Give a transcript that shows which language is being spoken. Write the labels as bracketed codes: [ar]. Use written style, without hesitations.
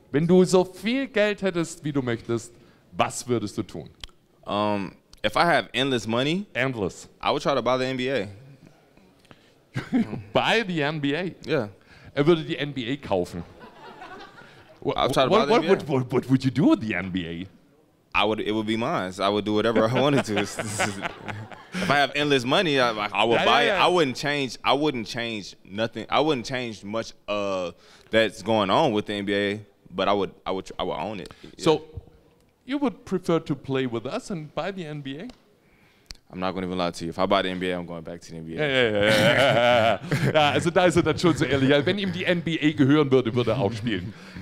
[de] Wenn du so viel Geld hättest, wie du möchtest, was würdest du tun? [en] If I have endless money, I would try to buy the NBA. Buy the NBA? Yeah. [de] Er würde die NBA kaufen. [en] What would you do with the NBA? It would be mine. So I would do whatever I wanted to. If I have endless money, I would buy it. I wouldn't change nothing. I wouldn't change much that's going on with the NBA, but I would own it. So you would prefer to play with us and buy the NBA? I'm not going to even lie to you. If I buy the NBA, I'm going back to the NBA. [de] Also da ist er dann schon so ehrlich. Wenn ihm die NBA gehören würde, würde er auch spielen.